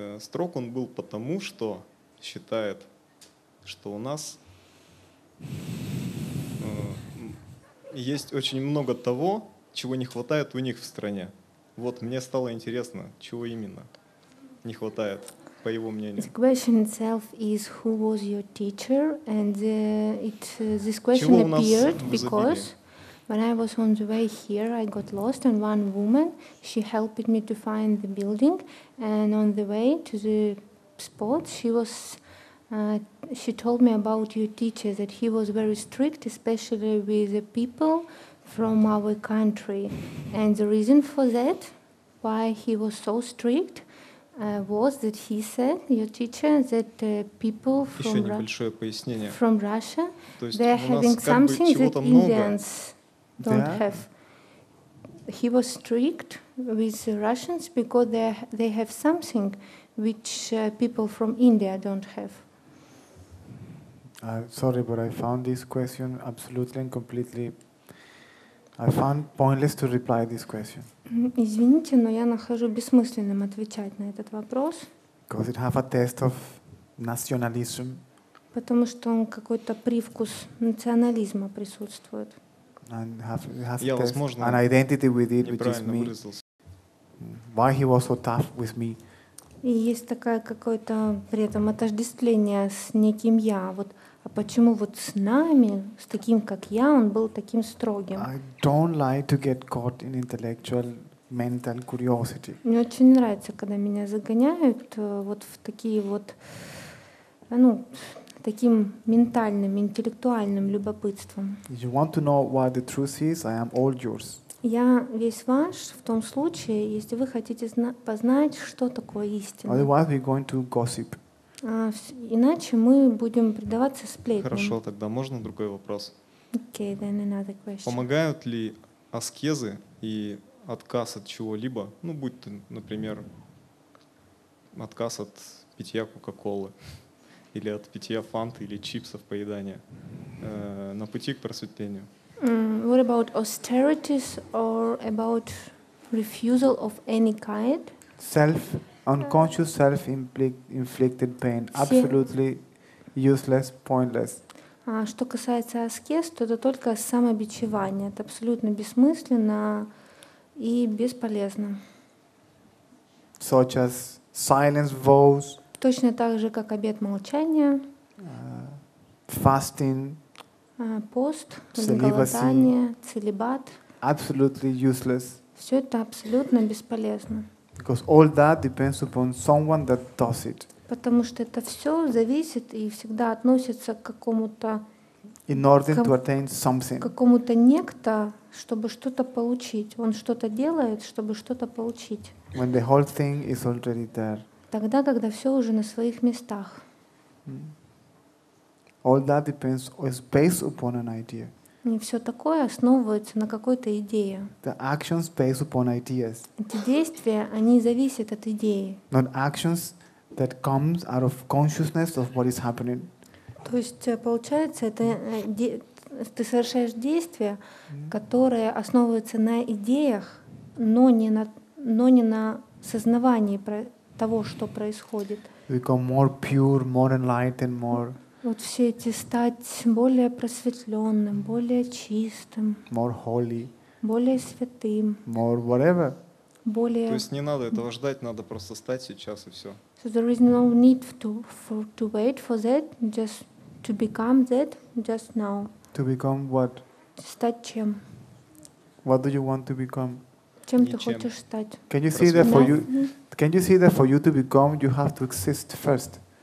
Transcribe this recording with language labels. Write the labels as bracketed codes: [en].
[ru] Строг он был потому, что считает, что у нас есть очень много того, чего не хватает у них в стране. Вот мне стало интересно, чего именно не хватает. По его мнению. [en] The question itself is who was your teacher, and this question appeared because when I was on the way here, I got lost, and one woman she helped me to find the building, and on the way to the spot, she told me about your teacher that he was very strict, especially with the people from our country, and the reason for that, why he was so strict. Was that he said your teacher that people from Russia they are having something that Indians don't have. He was strict with the Russians because they have something which people from India don't have. Sorry, but I found this question absolutely and completely. I found pointless to reply this question. [ru] Извините, но я нахожу бессмысленным отвечать на этот вопрос. [en] Because it has a taste of nationalism. [ru] Потому что он какой-то привкус национализма присутствует. [en] And has a taste, an identity with it, which is me. Why he was so tough with me? [ru] И есть такое какое-то при этом отождествление с неким я. Вот. А почему вот с нами, с таким как я, он был таким строгим? [en] I don't like to get caught in intellectual, mental curiosity. [ru] Мне очень нравится, когда меня загоняют вот в такие вот, ну, таким ментальным, интеллектуальным любопытством. [en] If you want to know what the truth is, I am all yours. [ru] Я весь ваш в том случае, если вы хотите познать, что такое истина. [en] Otherwise, we're going to gossip. [ru] Иначе мы будем предаваться сплетням. Хорошо, тогда можно другой вопрос? [en] Okay, then another question. [ru] Помогают ли аскезы и отказ от чего-либо, ну, будь то, например, отказ от питья Кока-Колы или от питья Фанты или чипсов поедания на пути к просветлению? [en] What about austerities or about refusal of any kind? Self. Unconscious self-inflicted pain, absolutely useless, pointless. [ru] Что касается аскез, то это только самобичевание. Это абсолютно бессмысленно и бесполезно. [en] Such as silence vows. [ru] Точно так же, как обет молчания. [en] Fasting. [ru] Пост. Целибатание. Целибат. [en] Absolutely useless. [ru] Все это абсолютно бесполезно. [en] Because all that depends upon someone that does it. [ru] Потому что это все зависит и всегда относится к какому-то. [en] In order to attain something. [ru] К какому-то некто, чтобы что-то получить. Он что-то делает, чтобы что-то получить. [en] When the whole thing is already there. [ru] Тогда, когда все уже на своих местах. [en] All that depends or is based upon an idea. [ru] Не все такое основывается на какой-то идее. [en] The actions based upon ideas. [ru] Эти действия, они зависят от идеи. [en] Not actions that comes out of consciousness of what is happening. [ru] То есть получается, это ты совершаешь действия, которые основываются на идеях, но не на сознавании того, что происходит. [en] Become more pure, more enlightened, more. [ru] Вот все эти стать более просветленным, более чистым, [en] more holy, [ru] более святым, [en] more whatever. [ru] Более. То есть не надо этого ждать, надо просто стать сейчас и все. [en] So there is no need to wait for that, just to become that, just now. To become what? [ru] Стать чем? [en] What do you want to become? [ru] Чем ты хочешь стать? [en] Can you see that for you? Can you see that for you to become, you have to exist first?